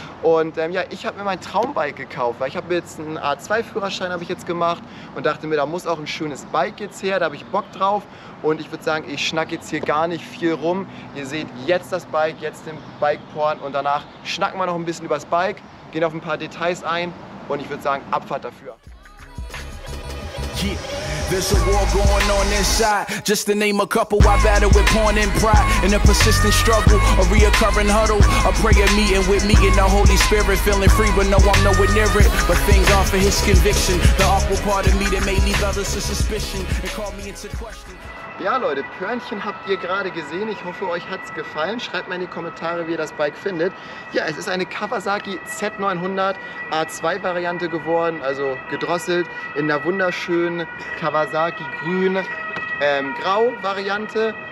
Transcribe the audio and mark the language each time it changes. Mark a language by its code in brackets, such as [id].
[de] Und ja, ich habe mir mein Traumbike gekauft, weil ich habe jetzt einen A2-Führerschein habe ich jetzt gemacht und dachte mir, da muss auch ein schönes Bike jetzt her, da habe ich Bock drauf. Und ich würde sagen, ich schnack jetzt hier gar nicht viel rum. Ihr seht jetzt das Bike, jetzt den Bike-Porn und danach schnacken wir noch ein bisschen über das Bike, gehen auf ein paar Details ein und ich würde sagen, Abfahrt dafür. [en] Yeah. There's a war going on inside, just to name a couple. I battle with porn and pride in a persistent struggle, a reoccurring huddle, a prayer meeting with me and the Holy Spirit. Feeling free, but no, I'm nowhere near it. But thank God for his conviction, the awful part of me that made me others to suspicion and call me into question. [de] Ja Leute, Pörnchen habt ihr gerade gesehen. Ich hoffe, euch hat's gefallen. Schreibt mal in die Kommentare, wie ihr das Bike findet. Ja, es ist eine Kawasaki Z900 A2-Variante geworden, also gedrosselt in der wunderschönen Kawasaki Grün-Grau-Variante.